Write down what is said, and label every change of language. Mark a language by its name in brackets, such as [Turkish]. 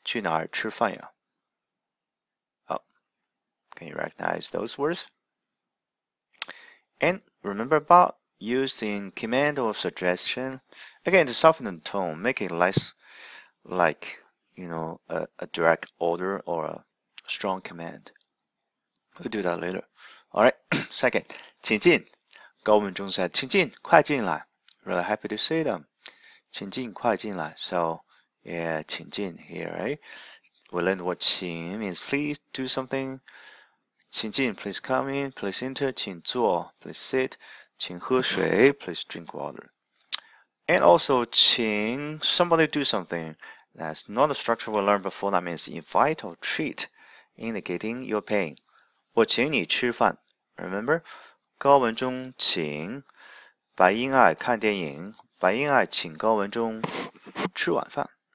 [Chinese] 去哪儿吃饭呀， [English] can you recognize those words? And remember about using command or suggestion again to soften the tone, make it less like, a direct order or a strong command. We'll do that later. All right, second. [Chinese] 请进，高文中山，请进，快进来。 [English] Really happy to see them， [Chinese] 请进，快进来。 [English] So yeah，请进 here，right？ We learned what 请 means please do something。 请进，please come in，please enter，请坐，please sit，请喝水，please drink water。 And also 请 somebody do something，that's not a structure we learned before，that means invite or treat，indicating you're paying。 [Chinese] 我请你吃饭，remember？高文中请白英爱看电影，白英爱请高文中吃晚饭。